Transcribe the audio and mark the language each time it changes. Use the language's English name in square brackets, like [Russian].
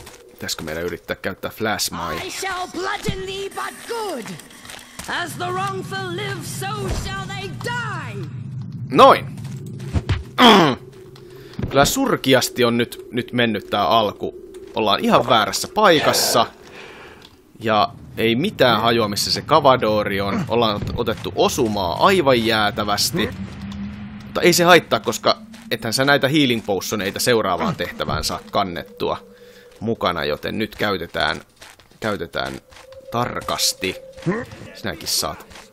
[Finnish] Pitäisikö meidän yrittää käyttää flashmaita? [English] I shall bludgeon thee, but good! As the wrongful live, so shall they die! [Finnish] Noin! Kyllä surkiasti on nyt mennyt tää alku. Ollaan ihan väärässä paikassa. Ja ei mitään hajua, missä se kavadori on. Ollaan otettu osumaa aivan jäätävästi. Mutta ei se haittaa, koska ethän sä näitä healing potioneita seuraavaan tehtävään saa kannettua mukana, joten nyt käytetään tarkasti. Sinäkin saat.